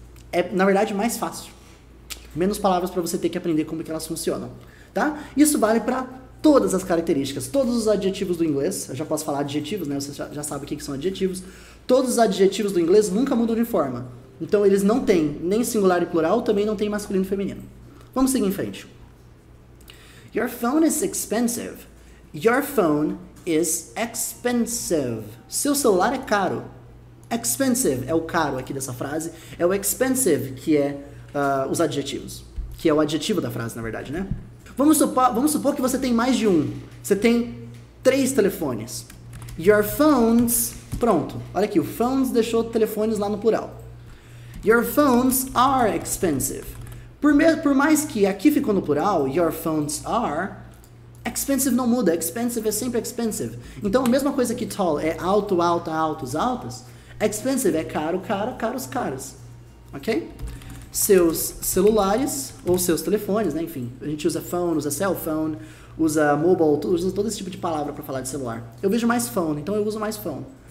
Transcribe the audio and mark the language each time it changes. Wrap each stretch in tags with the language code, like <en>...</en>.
<pt>É, na verdade, mais fácil. Menos palavras pra você ter que aprender como que elas funcionam. Tá? Isso vale para todas as características, todos os adjetivos do inglês. Eu já posso falar adjetivos, né? Você já sabe o que são adjetivos. Todos os adjetivos do inglês nunca mudam de forma. Então eles não têm nem singular e plural, também não têm masculino e feminino. Vamos seguir em frente.</pt> <en>Your phone is expensive. Your phone is expensive.</en> <pt>Seu celular é caro. Expensive é o caro aqui dessa frase. É o expensive que é os adjetivos. Que é o adjetivo da frase, na verdade, né? Vamos supor que você tem mais de um. Você tem 3 telefones.</pt> <en>Your phones...</en> <pt>Pronto. Olha aqui, o phones deixou telefones lá no plural.</pt> <en>Your phones are expensive.</en> <pt>Por mais que aqui ficou no plural,</pt> <en>your phones are... Expensive</en> <pt>não muda. Expensive é sempre expensive. Então, a mesma coisa que tall é alto, alta, altos, altas. Expensive é caro, caro, caros, caros. Ok? Seus celulares, ou seus telefones, né? Enfim, a gente usa phone, usa cell phone, usa mobile, usa todo esse tipo de palavra para falar de celular. Eu vejo mais phone, então eu uso mais phone.</pt>